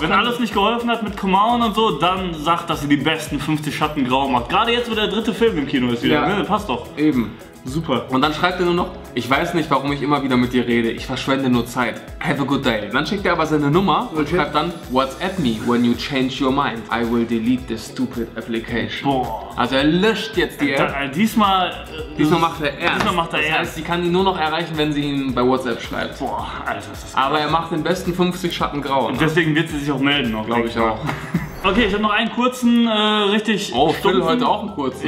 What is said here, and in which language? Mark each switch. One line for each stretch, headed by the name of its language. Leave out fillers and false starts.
German: Wenn alles nicht geholfen hat mit Come On und so, dann sagt, dass ihr die besten 50 Schatten grau macht. Gerade jetzt, wo der dritte Film im Kino ist wieder. Ja. Ne? Passt doch. Eben. Super. Und dann schreibt er nur noch, ich weiß nicht, warum ich immer wieder mit dir rede, ich verschwende nur Zeit.
English: Have a good day.
German: Dann schickt er aber seine Nummer und schreibt dann,
English: WhatsApp me when you change your mind. I will delete this stupid application.
German: Boah. Also er löscht jetzt die App. Diesmal macht er ernst. Das heißt, sie kann ihn nur noch erreichen, wenn sie ihn bei WhatsApp schreibt. Boah, Alter, ist das krass. Aber er macht den besten 50 Schatten grau. Und deswegen wird sie sich auch melden noch. Glaube ich auch. Okay, ich habe noch einen kurzen, richtig stumpfen. Oh, ich will heute auch einen kurzen.